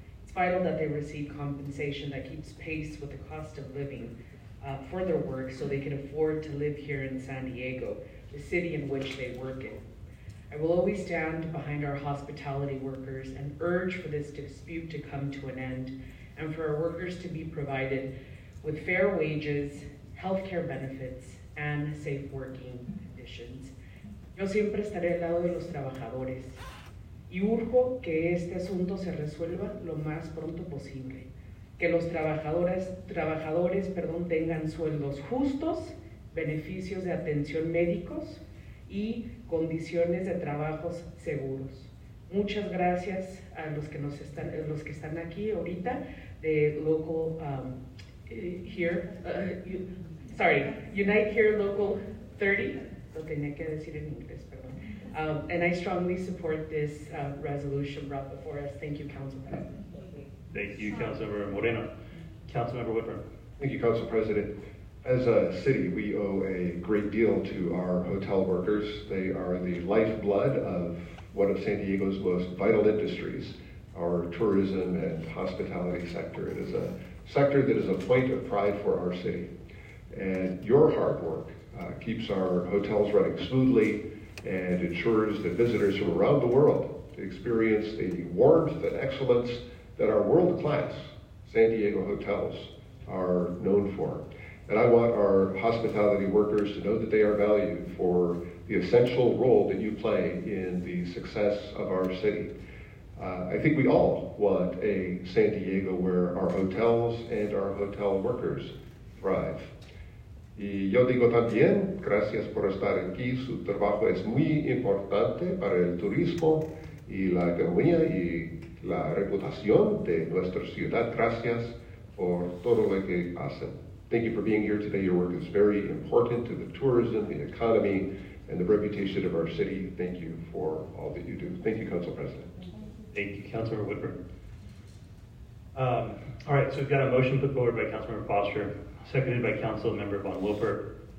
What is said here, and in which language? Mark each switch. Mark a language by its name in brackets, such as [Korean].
[English] It's vital that they receive compensation that keeps pace with the cost of living for their work so they can afford to live here in San Diego, the city in which they work in. I will always stand behind our hospitality workers and urge for this dispute to come to an end and for our workers to be provided with fair wages, healthcare benefits, and safe working conditions. [Spanish] Yo siempre estaré al lado de los trabajadores y urjo que este asunto se resuelva lo más pronto posible. Que los trabajadores, tengan sueldos justos, beneficios de atención médicos y condiciones de trabajos seguros. Muchas gracias a los que nos están, los que están aquí ahorita de local Unite Here Local 30. Lo tenía que decir en inglés, perdón. [English] And I strongly support this resolution brought before us. Thank you, Council President. Thank you, Councilmember Moreno. Councilmember Whitburn. Thank you, Council President. As a city, we owe a great deal to our hotel workers. They are the lifeblood of one of San Diego's most vital industries, our tourism and hospitality sector. It is a sector that is a point of pride for our city. And your hard work keeps our hotels running smoothly and ensures that visitors from around the world experience the warmth and excellence that our world-class San Diego hotels are known for. And I want our hospitality workers to know that they are valued for the essential role that you play in the success of our city. I think we all want a San Diego where our hotels and our hotel workers thrive. [Spanish] Y yo digo también, gracias por estar aquí. Su trabajo es muy importante para el turismo y la economía y la reputación de nuestra ciudad. Gracias por todo lo que hacen. [English] Thank you for being here today. Your work is very important to the tourism, the economy, and the reputation of our city. Thank you for all that you do. Thank you, Council President. Thank you, Councilmember Woodburn. All right, so we've got a motion put forward by Councilmember Foster, seconded by Councilmember Von Loper.